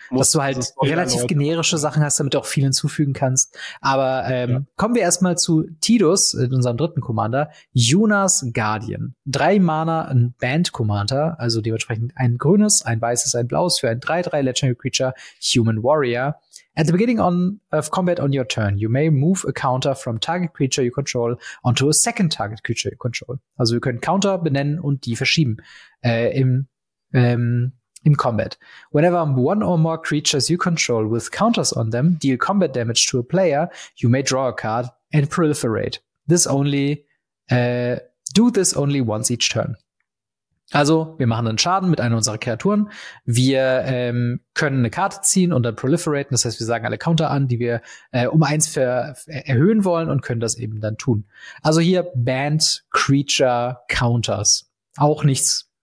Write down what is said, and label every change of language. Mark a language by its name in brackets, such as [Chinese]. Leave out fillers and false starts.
[German] Dass du halt relativ generische Sachen hast, damit du auch viel hinzufügen kannst. Aber kommen wir erstmal zu Tidus, unserem dritten Commander, Yunas Guardian. 3 Mana, ein Band Commander, also dementsprechend ein grünes, ein weißes, ein blaues für ein 3-3 Legendary Creature, Human Warrior. [English] At the beginning of combat on your turn, you may move a counter from target creature you control onto a second target creature you control. [German] Also wir können Counter benennen und die verschieben im Combat. [English] Whenever one or more creatures you control with counters on them deal combat damage to a player, you may draw a card and proliferate. Do this only once each turn. [German] Also, wir machen einen Schaden mit einer unserer Kreaturen. Wir können eine Karte ziehen und dann proliferaten. Das heißt, wir sagen alle Counter an, die wir um 1 erhöhen wollen und können das eben dann tun. Also hier Banned Creature Counters. Auch nichts